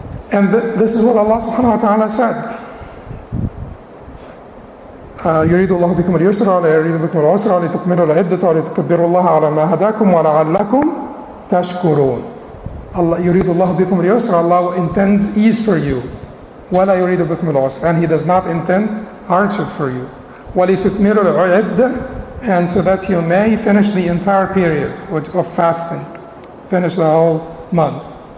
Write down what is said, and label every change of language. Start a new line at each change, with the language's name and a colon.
English: And this is what Allah subhanahu wa ta'ala said.
Arabic: يريد الله بكم اليسر ولا يريد بكم العسر لتكملوا العدة ولتكبروا الله على ما هداكم ولعلكم تشكرون.
English: Allah
Arabic: يريد الله بكم اليسر,
English: Allah intends ease for you.
Arabic: ولا يريد بكم العسر,
English: and He does not intend hardship for you.
Arabic: ولتكملوا العدة,
English: and so that you may finish the entire period of fasting, finish the whole month.